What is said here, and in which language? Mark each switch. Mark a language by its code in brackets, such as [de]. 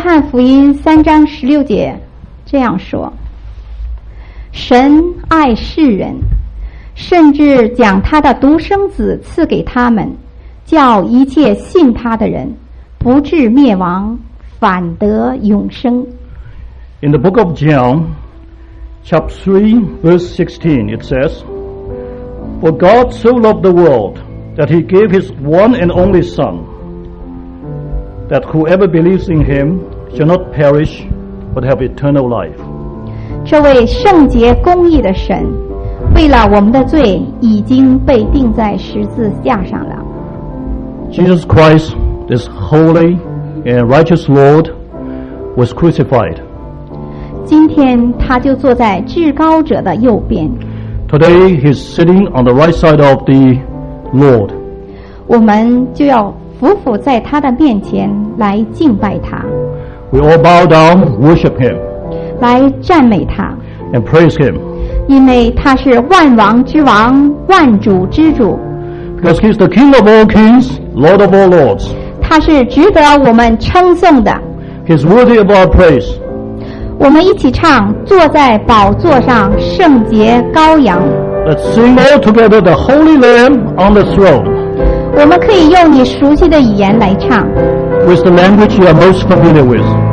[zh] 福音三章十六节这样说，神爱世人，甚至将他的独生子赐给他们，叫一切信他的人不至灭亡，反得永生。 [en] In the book of John, chapter 3, verse 16, it says, For God so loved the world that he gave his one and only Son, that whoever believes in himShall not perish, but have eternal life. [zh] 这位圣洁公义的神，为了我们的罪，已经被钉在十字架上了。 [en] Jesus Christ, this holy and righteous Lord, was crucified. [zh] 今天他就坐在至高者的右边。 [en] Today he is sitting on the right side of the Lord. [zh] 我们就要俯伏在他的面前来敬拜他。 [en] We all bow down, worship him. [zh] 来赞美他。 [en] And praise him. [zh] 因为他是万王之王，万主之主。 [en] Because he is the King of all kings, Lord of all lords. [zh] 他是值得我们称颂的。 [en] He is worthy of our praise. [zh] 我们一起唱，坐在宝座上，圣洁羔羊。 [en] Let's sing all together, the Holy Lamb on the throne. [zh] 我们可以用你熟悉的语言来唱。 [en] With the language you are most familiar with.